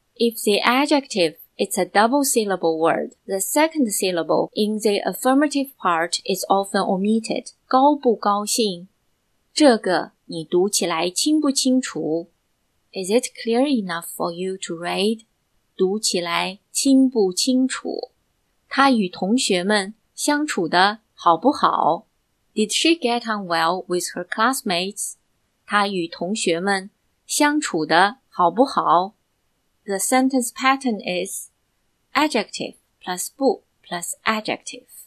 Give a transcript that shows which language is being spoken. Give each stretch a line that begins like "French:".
English: If the adjective is a double syllable word, the second syllable in the affirmative part is often omitted.
Chinese: 高不高兴? 这个你读起来清不清楚?
English: Is it clear enough for you to read?
Chinese: 读起来清不清楚? 他与同学们相处得好不好?
English: Did she get on well with her classmates?
Chinese: 他与同学们相处得好不好?
English: The sentence pattern is adjective plus bu plus adjective.